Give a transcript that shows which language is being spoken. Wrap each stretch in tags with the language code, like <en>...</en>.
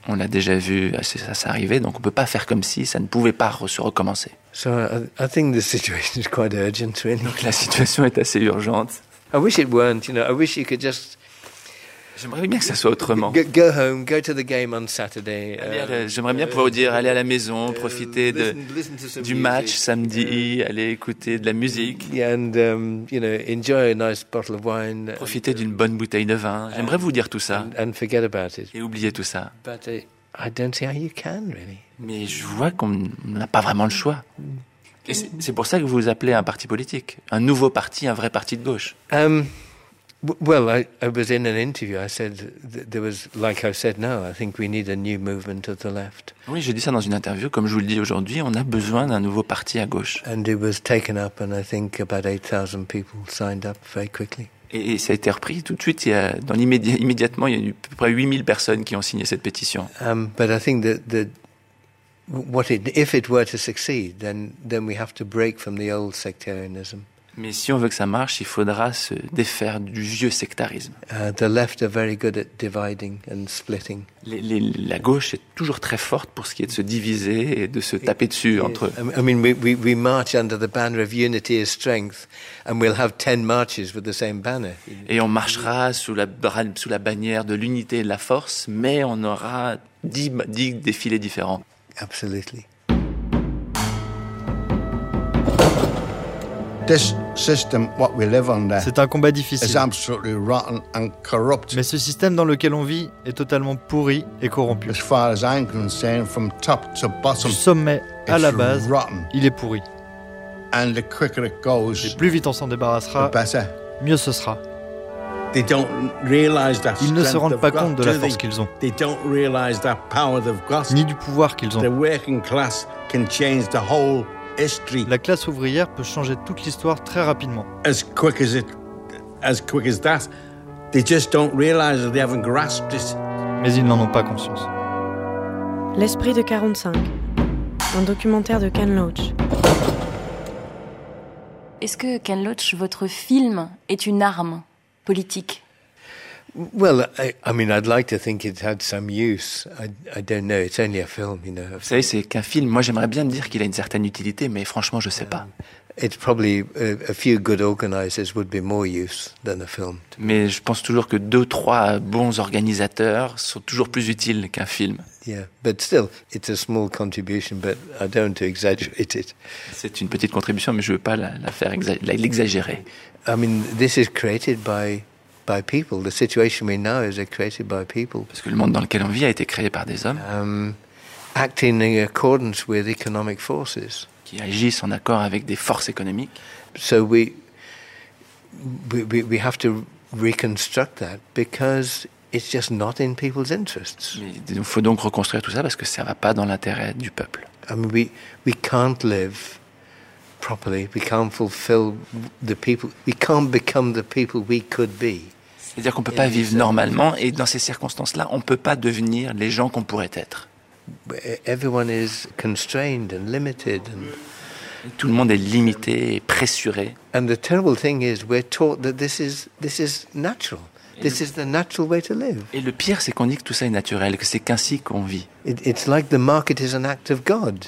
<fr>On l'a déjà vu, ça s'arrivait, donc on peut pas faire comme si ça ne pouvait pas se recommencer.</fr> <en>So I think the situation is quite urgent, really.</en> <fr>Donc la situation est assez urgente.</fr> <en>I wish it weren't, you know. I wish you could just.</en> <fr>J'aimerais bien que ça soit autrement.</fr> <en>Go home, go to the game on Saturday.</en> <fr>J'aimerais bien pouvoir vous dire, allez à la maison, profitez du match samedi, allez écouter de la musique.</fr> <en>And you know, enjoy a nice bottle of wine.</en> <fr>Profitez d'une bonne bouteille de vin. J'aimerais vous dire tout ça.</fr> <en>And forget about it.</en> <fr>Et oubliez tout ça.</fr> <en>But I don't see how you can really.</en> <fr>Mais je vois qu'on n'a pas vraiment le choix. Et c'est pour ça que vous appelez un parti politique, un nouveau parti, un vrai parti de gauche.</fr> <en>Well, I was in an interview. I said there was, like I've said now, I think we need a new movement of the left.</en> <fr>Oui, j'ai dit ça dans une interview. Comme je vous le dis aujourd'hui, on a besoin d'un nouveau parti à gauche.</fr> <en>And it was taken up, and I think about 8,000 people signed up very quickly.</en> <fr>Et ça a été repris tout de suite. Il y a, dans immédiatement, il y a eu à peu près 8,000 personnes qui ont signé cette pétition.</fr> <en>But I think that what if it were to succeed, then we have to break from the old sectarianism.</en> <fr>Mais si on veut que ça marche, il faudra se défaire du vieux sectarisme.</fr> <en>The left are very good at dividing and splitting.</en> <fr>La gauche est toujours très forte pour ce qui est de se diviser et de se taper dessus entre eux.</fr> <en>I mean, we march under the banner of unity and strength, and we'll have 10 marches with the same banner.</en> <fr>Et on marchera sous la bannière de l'unité et de la force, mais on aura 10 défilés différents.</fr> <en>Absolutely. This system, what we live under,</en> <fr>c'est un combat difficile.</fr> <en>Is absolutely rotten and corrupt.</en> <fr>Mais ce système dans lequel on vit est totalement pourri et corrompu.</fr> <en>As far as I'm concerned, from top to bottom,</en> <fr>du sommet à la base,</fr> <en>rotten.</en> <fr>Il est pourri.</fr> <en>And the quicker it goes,</en> <fr>et plus vite on s'en débarrassera,</fr> <en>the better.</en> <fr>Mieux ce sera.</fr> <en>They don't realize that</en> <fr>ils ne se rendent pas compte de la force qu'ils ont,</fr> <en>they don't realize that power they've got,</en> <fr>ni du pouvoir qu'ils ont.</fr> <en>The working class can change the whole.</en> <fr>La classe ouvrière peut changer toute l'histoire très rapidement.</fr> <en>As quick as that, they just don't realize that they haven't grasped it.</en> <fr>Mais ils n'en ont pas conscience. L'esprit de 45, un documentaire de Ken Loach. Est-ce que Ken Loach, votre film est une arme politique?</fr> <en>Well, I mean, I'd like to think it had some use. I don't know. It's only a film, you know.</en> <fr>Vous savez, c'est qu'un film. Moi, j'aimerais bien dire qu'il a une certaine utilité, mais franchement, je sais pas.</fr> <en>It's probably a few good organizers would be more use than a film.</en> <fr>Mais je pense toujours que 2-3 bons organisateurs sont toujours plus utiles qu'un film.</fr> <en>Yeah, but still, it's a small contribution. But I don't want to exaggerate it.</en> <fr>C'est une petite contribution, mais je veux pas l'exagérer.</fr> <en>I mean, this is created by. By people, the situation we know is created by people.</en> <fr>Parce que le monde dans lequel on vit a été créé par des hommes.</fr> <en>Acting in accordance with economic forces.</en> <fr>Qui agissent en accord avec des forces économiques.</fr> <en>So we have to reconstruct that because it's just not in people's interests.</en> <fr>Il faut donc reconstruire tout ça parce que ça va pas dans l'intérêt du peuple.</fr> <en>I mean, we can't live. Properly, we can't fulfill the people. We can't become the people we could be.</en> <fr>C'est-à-dire qu'on peut pas vivre normalement, et dans ces circonstances-là, on peut pas devenir les gens qu'on pourrait être.</fr> <en>Everyone is constrained and limited.</en> <fr>Tout le monde est limité et pressuré.</fr> <en>And the terrible thing is, we're taught that this is natural. This is the natural way to live.</en> <fr>Et le pire, c'est qu'on dit que tout ça est naturel, que c'est qu'ainsi qu'on vit.</fr> <en>It's like the market is an act of God.</en>